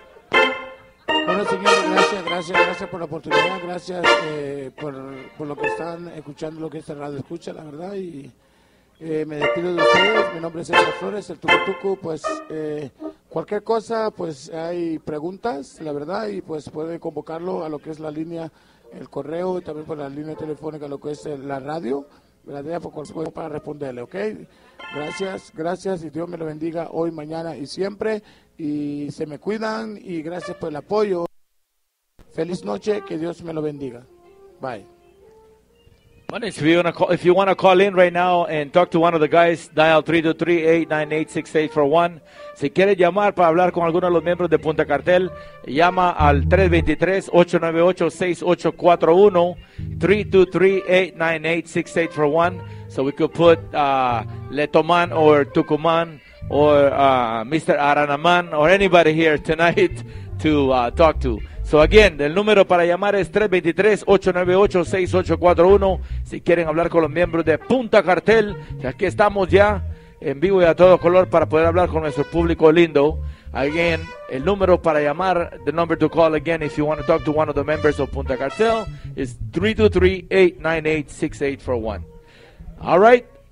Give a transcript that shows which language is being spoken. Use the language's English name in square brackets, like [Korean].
[Spanish] Bueno, señores, gracias, gracias, gracias por la oportunidad, gracias por lo que están escuchando, lo que esta radio escucha, la verdad, y me despido de ustedes, mi nombre es Edgar Flores, el Tucutucu, pues cualquier cosa, pues hay preguntas, la verdad, y pues pueden convocarlo a lo que es la línea, el correo, y también por la línea telefónica, lo que es la radio, para responderle, ¿ok? Gracias, gracias, y Dios me lo bendiga hoy, mañana y siempre. Y se me cuidan y gracias por el apoyo. Feliz noche, que Dios me lo bendiga. [English] Bye. If you want to call in right now and talk to one of the guys, dial 323-898-6841. [Spanish] Si quieres llamar para hablar con alguno de los miembros de Punta Cartel, llama al 323-898-6841, 323-898-6841. [English] So we could put Letoman or Tucuman or Mr. Aranaman, or anybody here tonight to talk to. So again, [Spanish] el número para llamar es 323-898-6841. Si quieren hablar con los miembros de Punta Cartel, que aquí estamos ya en vivo y a todo color para poder hablar con nuestro público lindo. [English] Again, [Spanish] el número para llamar, [English] the number to call again, if you want to talk to one of the members of Punta Cartel, is 323-898-6841. All right.